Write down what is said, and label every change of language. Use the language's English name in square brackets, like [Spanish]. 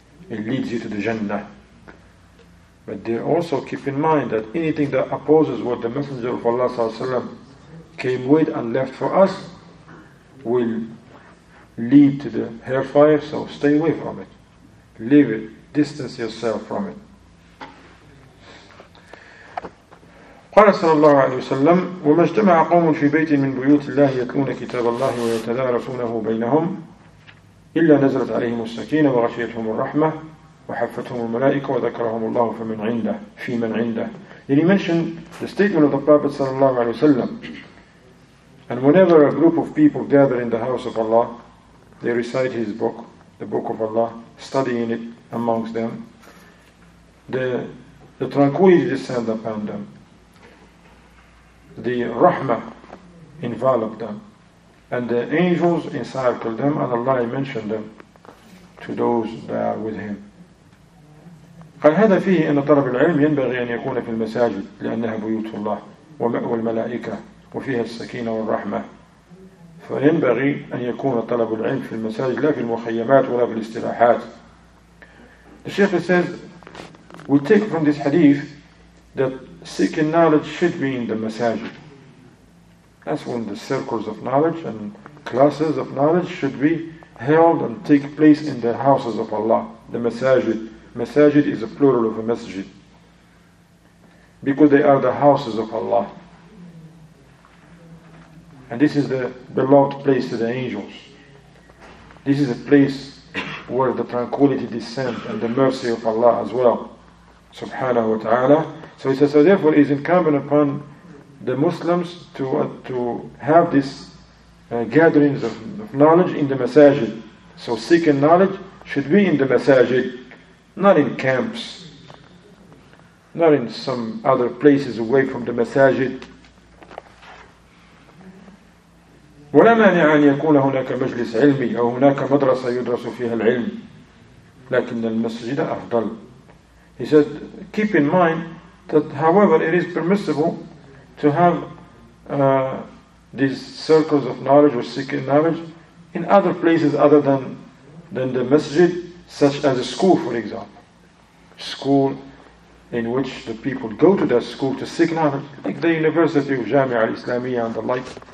[English] It leads you to the Jannah. But they also keep in mind that anything that opposes what the Messenger of Allah [Arabic] sallallahu alayhi wa sallam [English] came with and left for us will lead to the hellfire, so stay away from it. Leave it. Distance yourself from it. [Arabic] قال صلى الله عليه وسلم وما اجتمع قوم في بيت من بيوت الله يتلون كتاب الله ويتدارسونه بينهم إلا نزلت عليهم السكينة وغشيتهم الرحمة وحفتهم الملائكة وذكرهم الله فمن عنده في من عنده. [English] And he mentioned the statement of the Prophet [Arabic] صلى الله عليه وسلم, [English] and whenever a group of people gather in the house of Allah, they recite his book, the book of Allah, studying it amongst them, the tranquility descend upon them, the rahmah envelop them, and the angels encircle them, and Allah mentioned them to those that are with him. [Arabic] قال هذا فيه أن طلب العلم ينبغي أن يكون في المساجد لأنها بيوت الله ومأوى الملائكة وفيها السكينة والرحمة. فينبغي أن يكون طلب العلم في المساجد لا في المخيمات ولا في الاستراحات. [English] The Sheikh says, we take from this hadith that seeking knowledge should be in the masajid. That's when the circles of knowledge and classes of knowledge should be held and take place in the houses of Allah, the masajid. Masajid is a plural of a masjid, because they are the houses of Allah. And this is the beloved place to the angels. This is a place where the tranquility descends and the mercy of Allah as well, subhanahu wa ta'ala. So he says, so therefore it is incumbent upon the Muslims to have this gatherings of knowledge in the masajid. So seeking knowledge should be in the masajid, not in camps, not in some other places away from the masajid. [Arabic] ولا مانع أن يكون هناك مجلس علمي أو هناك مدرسة يدرس فيها العلم لكن المسجد أفضل. [English] He said, keep in mind that however it is permissible to have these circles of knowledge or seeking knowledge in other places other than the masjid, such as a school, for example. School in which the people go to that school to seek knowledge, like the University of Jamia al-Islamiyya and the like.